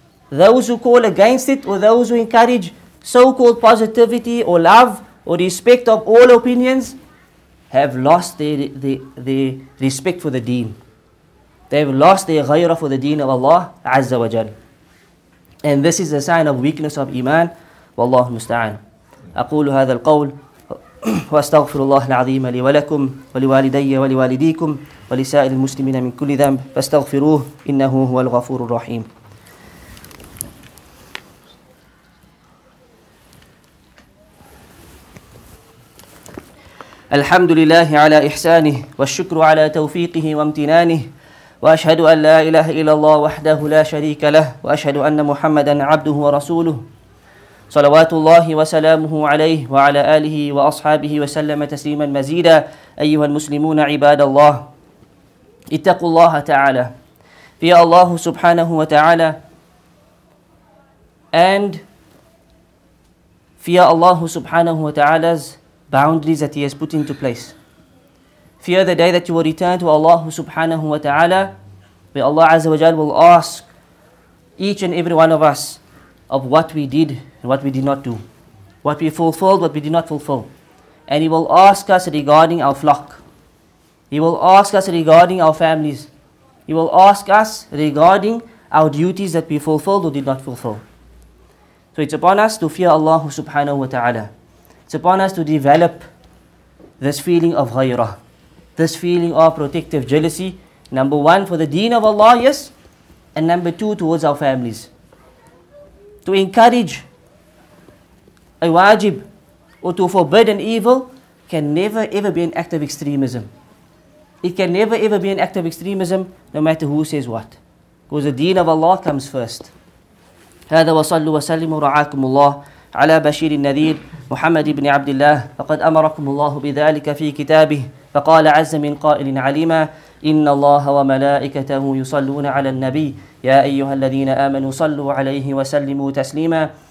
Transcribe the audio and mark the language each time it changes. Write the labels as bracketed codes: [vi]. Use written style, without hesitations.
[en] Those who call against it, or those who encourage so-called positivity or love or respect of all opinions, have lost their respect for the deen. They have lost their ghayra for the deen of Allah Azza wa Jal. And this is a sign of weakness of iman. [ar] والله المستعان أقول هذا القول وأستغفر الله العظيم لي ولكم ولوالدي ولوالديكم ولسائر المسلمين من كل ذنب فاستغفروه إنه هو الغفور الرحيم. الحمد لله على إحسانه والشكر على توفيقه وامتنانه وأشهد أن لا إله إلا الله وحده لا شريك له وأشهد أن محمدا عبده ورسوله صلوات الله وسلامه عليه وعلى آله وأصحابه وسلم تسليما مزيدا أيها المسلمون عباد الله اتقوا الله تعالى في الله سبحانه وتعالى and في الله سبحانه وتعالى [en] 's boundaries that he has put into place. Fear the day that you will return to Allah subhanahu wa ta'ala, where Allah azza wa jal will ask each and every one of us of what we did and what we did not do, what we fulfilled, what we did not fulfill. And he will ask us regarding our flock. He will ask us regarding our families. He will ask us regarding our duties that we fulfilled or did not fulfill. So it's upon us to fear Allah subhanahu wa ta'ala. It's upon us to develop this feeling of ghayrah, this feeling of protective jealousy, number one, for the deen of Allah, yes, and number two, towards our families. To encourage a wajib or to forbid an evil can never ever be an act of extremism. It can never ever be an act of extremism, no matter who says what. Because the deen of Allah comes first. [ar] هذا وصلوا وسلموا رعاكم الله على بشير النذير محمد بن عبد الله فقد أمركم الله بذلك في كتابه فقال عز من قائل عليما إن الله وملائكته يصلون على النبي يا أيها الذين آمنوا صلوا عليه وسلموا تسليما